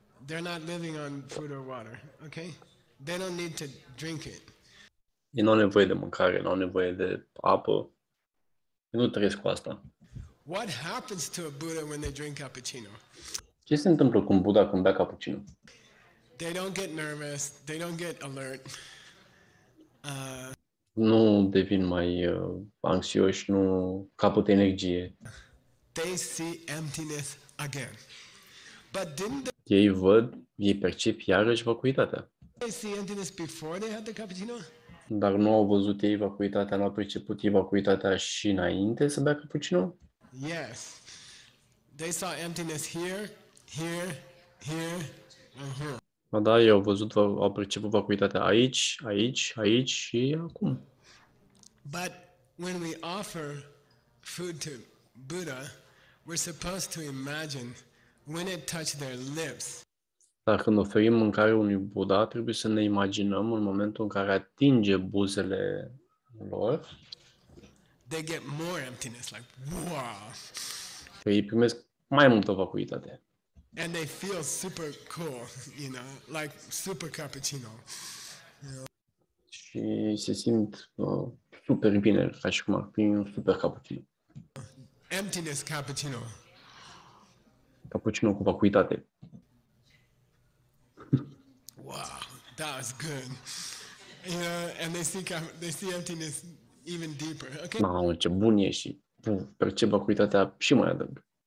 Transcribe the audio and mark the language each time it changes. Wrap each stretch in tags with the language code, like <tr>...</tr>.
<en>They're not living on food or water, okay? They don't need to drink it.</en> <ro>Ei nu au nevoie de mâncare, nu au nevoie de apă. Ei nu trăiesc cu asta.</ro> <en>What happens to a Buddha when they drink cappuccino?</en> <ro>Ce se întâmplă cu un Buddha când bea cappuccino?</ro> <en>They don't get nervous, they don't get alert.</en> <ro>Nu devin mai anxioși, nu capăt energie.</ro> <en>They see emptiness again. But didn't they...</en> <ro>Ei văd, ei percep iarăși vacuitatea.</ro> <en>They see emptiness before they had the cappuccino?</en> <ro>Dar nu au văzut ei vacuitatea, nu au perceput ei vacuitatea și înainte să bea cappuccino?</ro> <en>Yes. They saw emptiness here, here, here, and here.</en> <ro>Da, eu au perceput vacuitatea aici, aici, aici și acum.</ro> <en>But when we offer food to Buddha, we're supposed to imagine when it touched their lips.</en> <ro>Dar când oferim mâncare unui Buddha, trebuie să ne imaginăm în momentul în care atinge buzele lor.</ro> <en>They get more emptiness, like wow.</en> <ro>Că ei primesc mai multă vacuitate.</ro> <en>And they feel super cool, you know, like super cappuccino.</en> <ro>Și se simt super bine, ca și cum ar fi un super cappuccino.</ro> <en>Emptiness cappuccino.</en> <ro>Cappuccino cu vacuitate.</ro> <en>Wow, that's good. You know, and they see emptiness even deeper. Okay.</en> <ro>Mamă, ce bun e și percep vacuitatea și mai adânc.</ro>